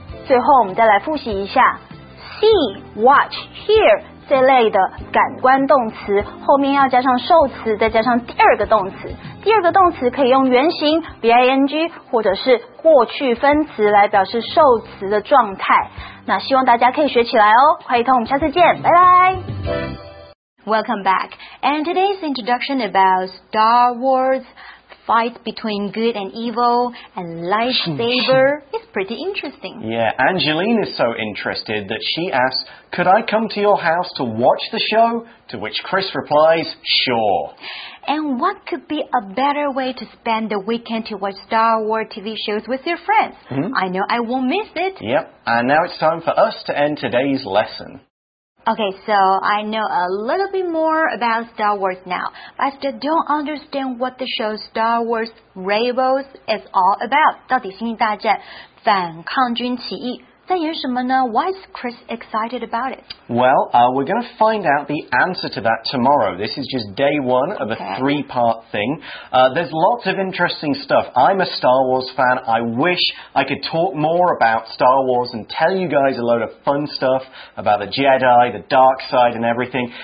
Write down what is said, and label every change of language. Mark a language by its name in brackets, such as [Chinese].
[Chinese] 最后我们再来复习一下 see, watch, hear 这类的感官动词，后面要加上受词，再加上第二个动词。第二个动词可以用原形 ving 或者是过去分词来表示受词的状态。那希望大家可以学起来哦，快一通，我们下次见，拜拜。 [English] Welcome back. And today's introduction about Star Wars fight between good and evil and lightsaber is pretty interesting. Yeah, Angeline is so interested that she asks, could I come to your house to watch the show? To which Chris replies, sure. And what could be a better way to spend the weekend to watch Star Wars TV shows with your friends? I know I won't miss it. Yep, and now it's time for us to end today's lesson. Okay, so I know a little bit more about Star Wars now, but I still don't understand what the show Star Wars Rebels is all about. [Chinese] 到底星际大战反抗军起义在演什么呢？ [English] Why is Chris excited about it? Well, we're going to find out the answer to that tomorrow. This is just day one of a three-part thing. There's lots of interesting stuff. I'm a Star Wars fan. I wish I could talk more about Star Wars and tell you guys a load of fun stuff about the Jedi, the dark side and everything.